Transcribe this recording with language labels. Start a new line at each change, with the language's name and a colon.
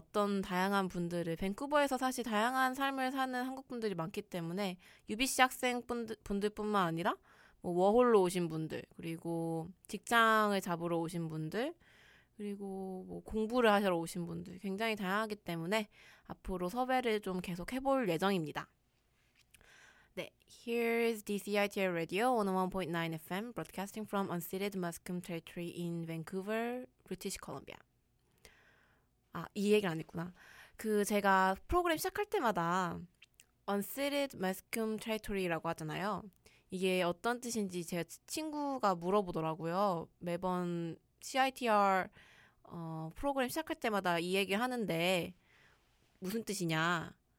Korean: 어떤 다양한 분들을 밴쿠버에서 사실 다양한 삶을 사는 한국 분들이 많기 때문에 UBC 학생 분들뿐만 아니라 뭐 워홀로 오신 분들 그리고 직장을 잡으러 오신 분들 그리고 뭐 공부를 하러 오신 분들 굉장히 다양하기 때문에 앞으로 섭외를 좀 계속 해볼 예정입니다.
English: 네, Here's DCITR Radio 101.9 FM broadcasting from unceded Musqueam Territory in Vancouver, British Columbia.
Korean: 아, 이 얘기를 안 했구나. 그 제가 프로그램 시작할 때마다 unceded Musqueam Territory라고 하잖아요. 이게 어떤 뜻인지 제 친구가 물어보더라고요. 매번 CITR 프로그램 시작할 때마다 이 얘기를 하는데 무슨 뜻이냐.